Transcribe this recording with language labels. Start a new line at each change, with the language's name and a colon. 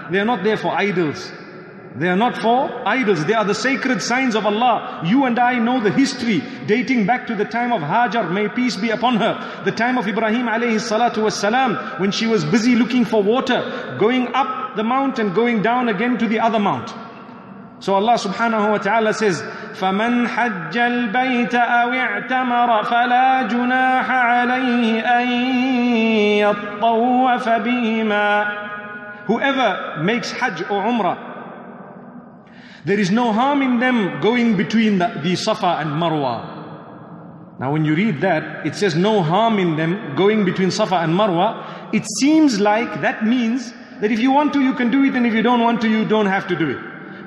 English: They are not there for idols. They are not for idols. They are the sacred signs of Allah. You and I know the history dating back to the time of Hajar, may peace be upon her. The time of Ibrahim alayhi salatu was salam, when she was busy looking for water, going up the mount and going down again to the other mount. So Allah subhanahu wa ta'ala says,
Arabic: فَمَنْ حَجَّ الْبَيْتَ أَوِ اعْتَمَرَ فَلَا جُنَاحَ عَلَيْهِ أَن يَطَّوَّفَ بِهِمَا.
English: Whoever makes Hajj or Umrah, there is no harm in them going between the Safa and Marwa. Now when you read that, it says no harm in them going between Safa and Marwa. It seems like that means that if you want to, you can do it, and if you don't want to, you don't have to do it.